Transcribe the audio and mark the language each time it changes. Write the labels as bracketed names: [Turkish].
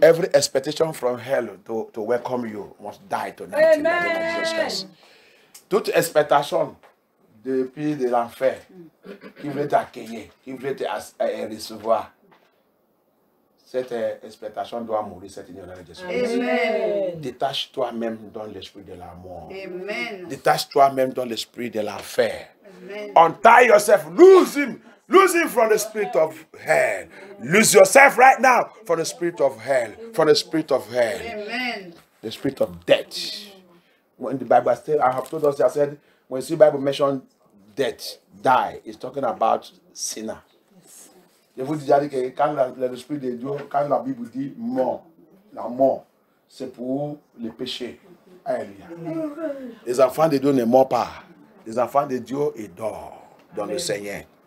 [English] Every expectation from hell to welcome you must die tonight. In the name of Jesus Christ. [French] Toute expectation depuis de l'enfer qui veut t'accueillir, qui veut te recevoir, cette expectation doit mourir cette nuit au nom de Jésus Christ. Amen. Détache-toi-même dans l'esprit de l'amour. Amen. Détache-toi-même dans l'esprit de l'enfer. Amen. [English] Untie yourself, lose him. Lose him from the spirit of hell. Lose yourself right now from the spirit of hell. From the spirit of hell. Amen. The spirit of death. When the Bible says, I have told us, I said, when the Bible mentioned death, die, it's talking about sinner. [French] Je vous dis que quand le spirit de Dieu, quand la Bible dit mort, la mort, c'est pour le péché. Alléluia. Les enfants de Dieu ne mourent pas. Les enfants de Dieu, ils dorment dans le Seigneur.